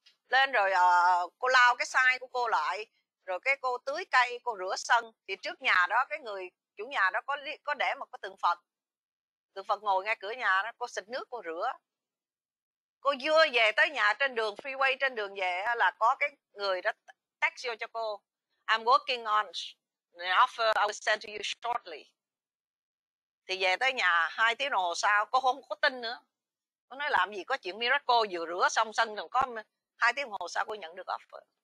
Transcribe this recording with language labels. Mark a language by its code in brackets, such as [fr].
[vi] Lên rồi cô lao cái sai của cô lại. Rồi cái cô tưới cây, cô rửa sân. Thì trước nhà đó, cái người chủ nhà đó có để một cái tượng Phật. Tượng Phật ngồi ngay cửa nhà đó, cô xịt nước, cô rửa. Cô vừa về tới nhà trên đường, freeway trên về là có cái người đó text vô cho cô. [en] I'm working on an offer I will send to you shortly. [vi] Thì về tới nhà 2 tiếng đồng hồ sau, cô không có tin nữa. Cô nói làm gì có chuyện miracle, vừa rửa xong sân rồi có 2 tiếng đồng hồ sau cô nhận được offer.